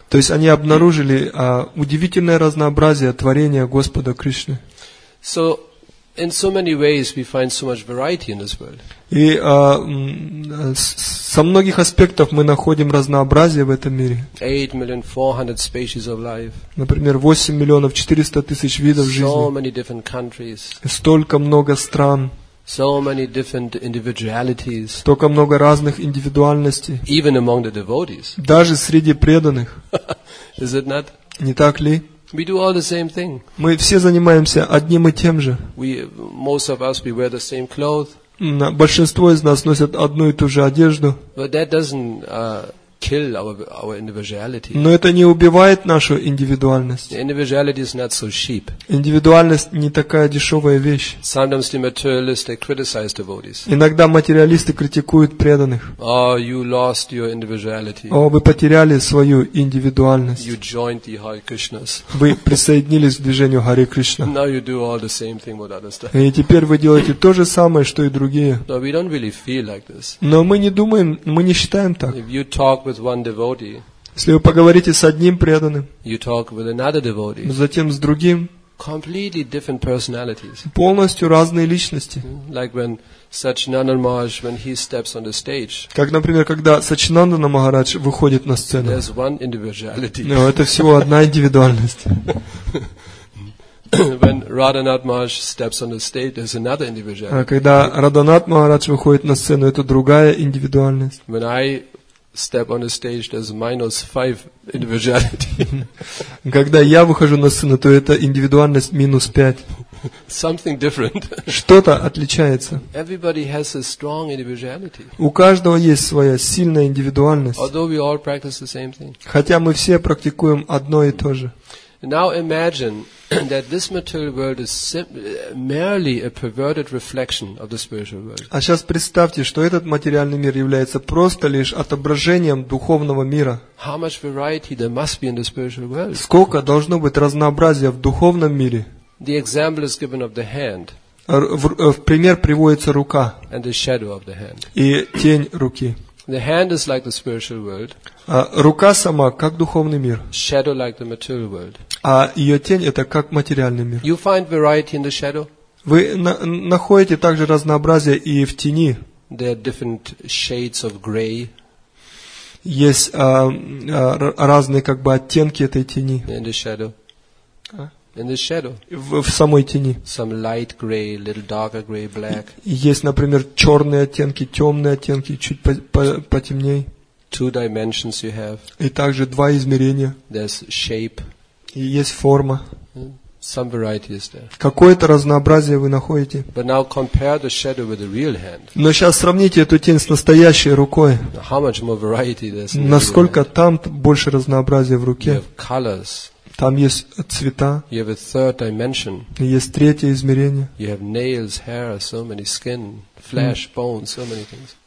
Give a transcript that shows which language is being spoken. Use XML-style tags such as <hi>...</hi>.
<ru>То есть они обнаружили удивительное разнообразие творения Господа Кришны.</ru> <en>So in so many ways we find so much variety in this world.</en> <ru>И со многих аспектов мы находим разнообразие в этом мире.</ru> <en>8,400 species of life.</en> <ru>Например, 8,400,000 видов жизни.</ru> <en>So many different countries.</en> <ru>Столько много стран.</ru> <en>So many different individualities.</en> <ru>Столько много разных индивидуальностей.</ru> <en>Even among the devotees.</en> <ru>Даже среди преданных.</ru> <en>Is it not?</en> <ru>Не так ли?</ru> <en>We do all the same thing.</en> <ru>Мы все занимаемся одним и тем же.</ru> <en>Most of us, we wear the same clothes.</en> <ru>Большинство из нас носят одну и ту же одежду.</ru> <en>But that doesn't kill our individuality.</en> <ru>Но это не убивает нашу индивидуальность.</ru> <en>Individuality is not so cheap.</en> <ru>Индивидуальность не такая дешевая вещь.</ru> <en>Sometimes the materialists, they criticize devotees.</en> <ru>Иногда материалисты критикуют преданных.</ru> <en>Oh, you lost your individuality.</en> <ru>О, вы потеряли свою индивидуальность.</ru> <en>You joined the Hare Krishnas.</en> <ru>Вы присоединились к движению Hare Krishna.</ru> <en>Now you do all the same thing with other stuff.</en> <ru>И теперь вы делаете то же самое, что и другие.</ru> <en>No, we don't really feel like this.</en> <ru>Но мы не думаем, мы не считаем так.</ru> <en>If you talk with one devotee.</en> <ru>Если вы поговорите с одним преданным,</ru> <en>you talk with another devotee.</en> <ru>Затем с другим.</ru> <en>Completely different personalities.</en> <ru>Полностью разные личности.</ru> <en>Like when Sachinanda Maharaj, when he steps on the stage.</en> <ru>Как, например, когда Сачинандана Махарадж выходит на сцену.</ru> <en>There's one individuality.</en> <ru>Но это всего одна индивидуальность.</ru> <en>When Radhanath Maharaj steps on the stage, there's another individuality.</en> <ru>Когда Радханат Махарадж выходит на сцену, это другая индивидуальность.</ru> <en>When I step on the stage, there's minus five individuality.</en> <ru>Когда я выхожу на сцену, то это индивидуальность минус пять.</ru> <en>Something different.</en> <ru>Что-то отличается.</ru> <en>Everybody has a strong individuality.</en> <ru>У каждого есть своя сильная индивидуальность.</ru> <en>Although we all practice the same thing.</en> <ru>Хотя мы все практикуем одно и то же.</ru> <en>Now imagine that this material world is merely a perverted reflection of the spiritual world.</en> <ru>А сейчас представьте, что этот материальный мир является просто лишь отображением духовного мира.</ru> <en>How much variety there must be in the spiritual world?</en> <ru>Сколько должно быть разнообразия в духовном мире?</ru> <en>The example is given of the hand.</en> <ru>В пример приводится рука.</ru> <en>And the shadow of the hand.</en> <ru>И тень руки.</ru> <en>The hand is like the spiritual world.</en> <ru>Рука сама как духовный мир.</ru> <en>Shadow like the material world.</en> <ru>А ее тень это как материальный мир.</ru> <en>You find variety in the shadow.</en> <ru>Вы находите также разнообразие и в тени.</ru> <en>There are different shades of gray.</en> <ru>Есть разные как бы оттенки этой тени.</ru> <en>In the shadow. In the shadow.</en> <ru>В самой тени.</ru> <en>Some light gray, little darker gray, black.</en> <ru>Есть, например, черные оттенки, темные оттенки, чуть потемней.</ru> <en>Two dimensions you have.</en> <ru>И также два измерения.</ru> <en>There's shape.</en> <ru>И есть форма.</ru> <en>Some variety is there.</en> <ru>Какое-то разнообразие вы находите.</ru> <en>But now compare the shadow with the real hand.</en> <ru>Но сейчас сравните эту тень с настоящей рукой.</ru> <en>How much more variety there's.</en> <ru>Насколько там больше разнообразия в руке.</ru> <en>You have colors.</en> <ru>Там есть цвета.</ru> <en>You have a third dimension.</en> <ru>Есть третье измерение.</ru> <en>You have nails, hair, so many skin, flesh, bones, so many things.</en>